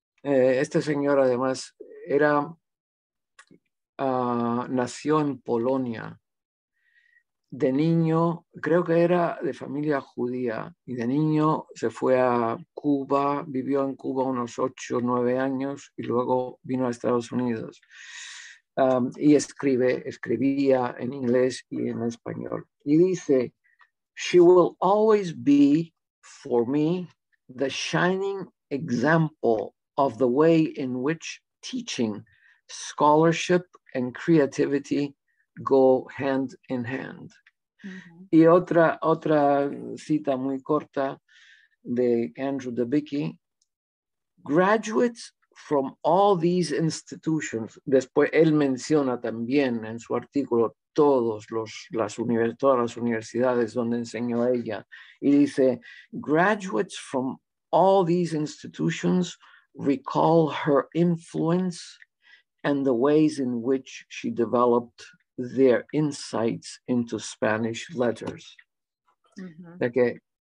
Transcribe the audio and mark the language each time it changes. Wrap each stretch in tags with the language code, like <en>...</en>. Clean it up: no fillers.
<es>Este señor, además, nació en Polonia. De niño, creo que era de familia judía, y de niño se fue a Cuba, vivió en Cuba unos 8 o 9 años, y luego vino a Estados Unidos. Y escribía en inglés y en español. Y dice,</es> <en>"She will always be, for me, the shining example of the way in which teaching, scholarship, and creativity go hand in hand."</en> <es>Uh-huh. Y otra cita muy corta de Andrew DeBicke.</es> <en>"Graduates from all these institutions,"</en> <es>después él menciona también en su artículo todas las universidades donde enseñó ella, y dice,</es> <en>"Graduates from all these institutions recall her influence and the ways in which she developed their insights into Spanish letters." Uh-huh. Okay.</en>